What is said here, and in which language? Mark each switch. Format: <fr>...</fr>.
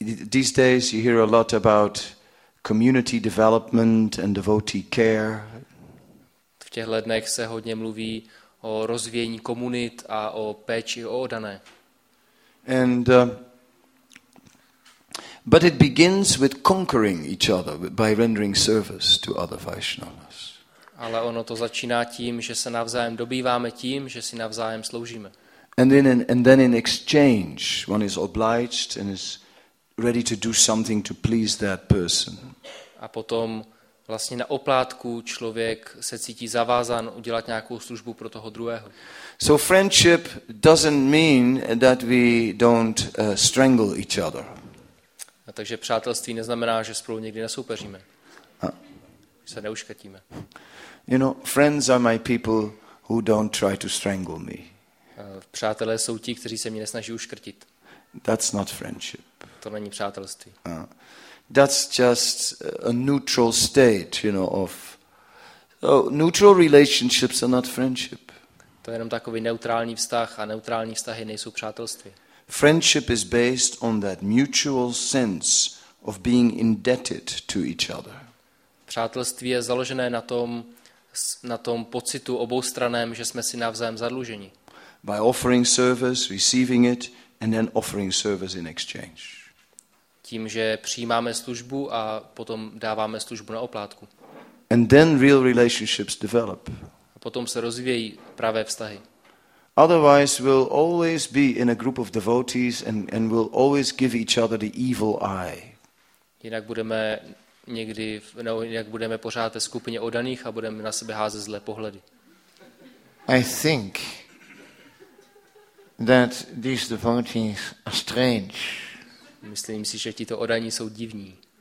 <en>These days you hear a lot about community development and devotee care.</en> <cs>V těchto dnech se hodně mluví o rozvíjení komunit a o péči o oddané.</cs> <en>But it begins with conquering each other by rendering service to other Vaishnavas.</en> <cs>Ale ono to začíná tím, že se navzájem dobýváme tím, že si navzájem sloužíme.</cs> <en>And then in exchange one is obliged and is ready to do something to please that person.</en> <cs>A potom vlastně na oplátku člověk se cítí zavázán udělat nějakou službu pro toho druhého.</cs> <en>So friendship doesn't mean that we don't strangle each other.</en> <cs>A takže přátelství neznamená, že spolu někdy nesoupeříme. Se neuškatíme.</cs> <en>You know, friends are my people who don't try to strangle me.</en> <cs>Přátelé jsou ti, kteří se mě nesnaží uškrtit.</cs> <en>That's not friendship.</en> <cs>To není přátelství.</cs> <en>That's just a neutral state, you know, of so neutral relationships are not friendship.</en> <cs>To je jenom takový neutrální vztah a neutrální vztahy nejsou přátelství.</cs> <en>Friendship is based on that mutual sense of being indebted to each other.</en> <cs>Přátelství je založené na tom pocitu oboustranném, že jsme si navzájem zadluženi.</cs> <en>By offering service, receiving it and then offering service in exchange.</en> <cs>Tím, že přijímáme službu a potom dáváme službu na oplátku.</cs> <en>And then real relationships develop.</en> <cs>A potom se rozvíjí pravé vztahy.</cs> <en>Otherwise we'll always be in a group of devotees and we'll always give each other the evil eye.</en> <cs>Jinak budeme někdy jinak budeme pořád ve skupině oddaných a budeme na sebe házet zlé pohledy.</cs> <en>I think that these devotees are strange.</en> <cs>Myslím si, že tito oddaní jsou divní.</cs>